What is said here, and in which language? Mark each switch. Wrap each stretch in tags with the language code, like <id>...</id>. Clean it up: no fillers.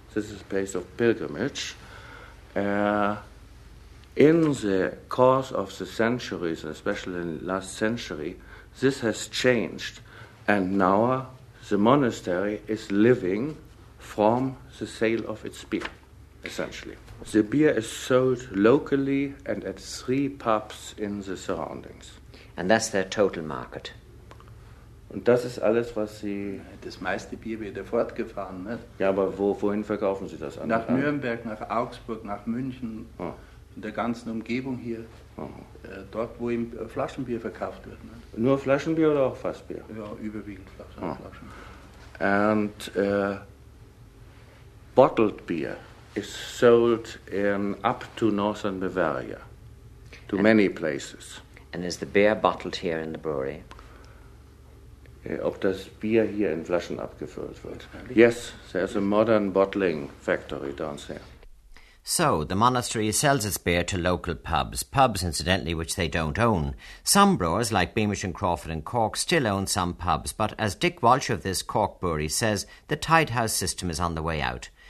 <en>This is a place of pilgrimage. In the course of the centuries, especially in the last century, this has changed. And now the monastery is living from the sale of its beer, essentially. The beer is sold locally and at 3 pubs in the surroundings. And that's their total market.</en> <de>Und das ist alles, was Sie... Das meiste Bier wird ja fortgefahren, ne? Ja, aber wohin verkaufen Sie das? Nach Nürnberg, nach Augsburg, nach München, in der ganzen Umgebung hier. Dort, wo eben Flaschenbier verkauft wird, ne? Nur Flaschenbier oder auch Fassbier? Ja, überwiegend Flaschenbier.</de> <en>And bottled beer is sold in up to northern Bavaria, to many places. And is the beer bottled here in the brewery?</en> <de>Ob das Bier hier in Flaschen abgefüllt wird.</de> <en>Yes, there's a modern bottling factory downstairs. So, the monastery sells its beer to local pubs, pubs, incidentally, which they don't own. Some brewers, like Beamish and Crawford and Cork, still own some pubs, but as Dick Walsh of this Cork brewery says, the tide house system is on the way out.</en>